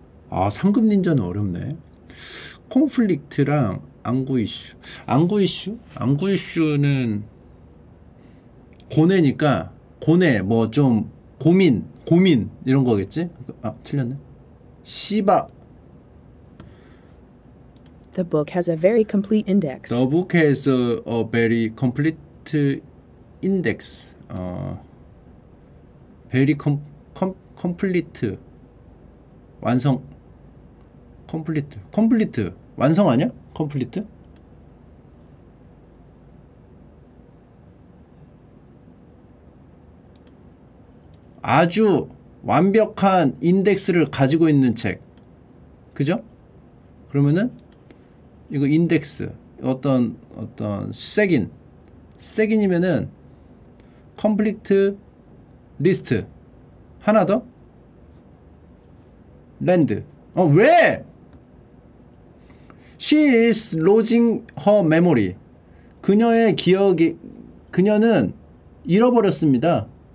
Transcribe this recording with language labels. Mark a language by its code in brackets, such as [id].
[ko] 아 상급 닌자는 어렵네. 콘플릭트랑 앙구이슈 앙구이슈? 앙구이슈는 고뇌니까 고뇌 뭐 좀 고민 이런 거겠지? 아 틀렸네. 시바 [en] The book has a very complete index. The book has a very complete index. [ko] 어, [en] very complete. [ko] 완성. complete. 완성 아니야? complete. 아주 완벽한 인덱스를 가지고 있는 책. 그죠? 그러면은 이거 인덱스 어떤 색인. 세긴이면은 컴플리트 리스트 하나 더? 랜드 어 왜? [en] She is losing her memory. [ko] 그녀의 기억이 그녀는 잃어버렸습니다.